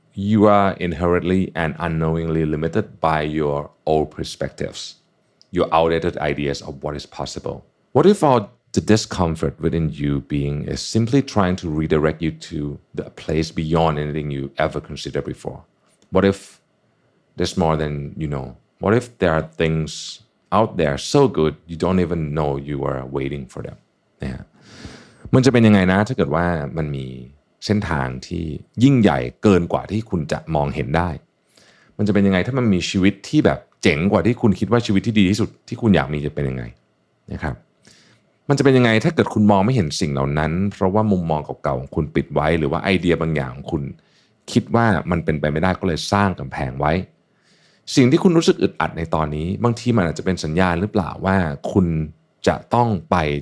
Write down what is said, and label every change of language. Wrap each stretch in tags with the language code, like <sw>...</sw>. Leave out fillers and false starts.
<en>you are inherently and unknowingly limited by your old perspectives your outdated ideas of what is possible what if all the discomfort within you being is simply trying to redirect you to the place beyond anything you ever considered before what ifThere's more than you know. What if there are things out there so good you don't even know you are waiting for them? Yeah.</en> <th>มันจะเป็นยังไงนะถ้าเกิดว่ามันมีเส้นทางที่ยิ่งใหญ่เกินกว่าที่คุณจะมองเห็นได้มันจะเป็นยังไงถ้ามันมีชีวิตที่แบบเจ๋งกว่าที่คุณคิดว่าชีวิตที่ดีที่สุดที่คุณอยากมีจะเป็นยังไงนะครับมันจะเป็นยังไงถ้าเกิดคุณมองไม่เห็นสิ่งเหล่านั้นเพราะว่ามุมมองเก่าๆของคุณปิดไว้หรือว่าไอเดียบางอย่างของคุณคิดว่ามันเป็นไปไม่ได้ก็เลยสร้างกำแพงไว้สิ่งที่คุณรู้สึกอึดอัดในตอนนี้บางทีมันอาจจะเป็นสัญญาณหรือเปล่าว่าคุณจะต้องไป</th>